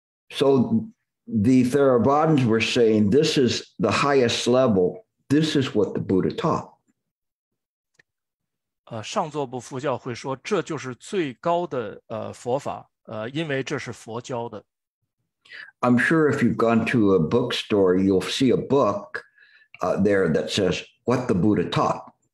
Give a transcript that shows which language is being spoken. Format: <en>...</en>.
<en>So the Theravadins were saying, this is the highest level. This is what the Buddha taught.</en> <zh>上座部佛教会说这就是最高的佛法，因为这是佛教的。</zh> <en>I'm sure if you've gone to a bookstore, you'll see a book there that says what the Buddha taught.</en>